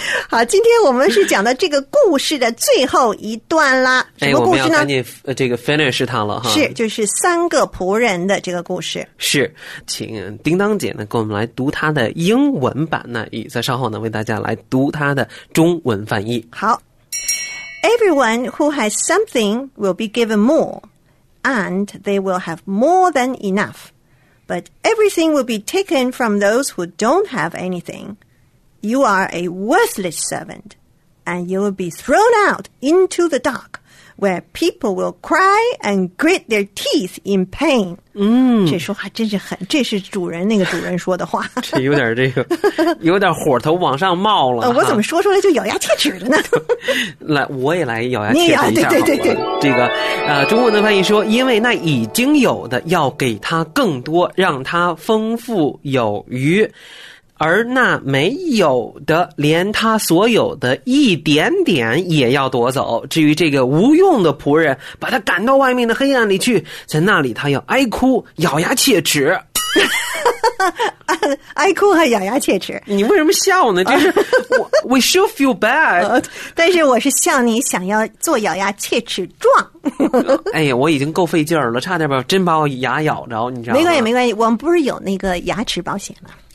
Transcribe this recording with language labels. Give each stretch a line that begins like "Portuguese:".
Chinese: 好，今天我们是讲的这个故事的最后一段啦。什么故事呢？我们要赶紧这个 finish 它了哈。是，就是三个仆人的这个故事。是，请叮当姐呢跟我们来读她的英文版呢，以在稍后呢为大家来读她的中文翻译。好。
English: Everyone who has something will be given more, and they will have more than enough. But everything will be taken from those who don't have anything. You are a worthless servant, and you will be thrown out into the dark, where people will cry and grit their teeth in pain.
Chinese: 这说话真是很，这是主人那个主人说的话。这有点这个，有点火头往上冒了。我怎么说出来就咬牙切齿的呢？来，我也来咬牙切齿一下。对，这个中文的翻译说，因为那已经有的要给他更多，让他丰富有余。而那没有的连他所有的一点点也要夺走，至于这个无用的仆人，把他赶到外面的黑暗里去，在那里他要哀哭咬牙切齿。哀哭还咬牙切齿，你为什么笑呢？就是
English: We should feel bad，
Chinese: 但是我是笑你想要做咬牙切齿状。哎呀，我已经够费劲了，差点把真把我牙咬着，你知道吗？没关系没关系，我们不是有那个牙齿保险吗？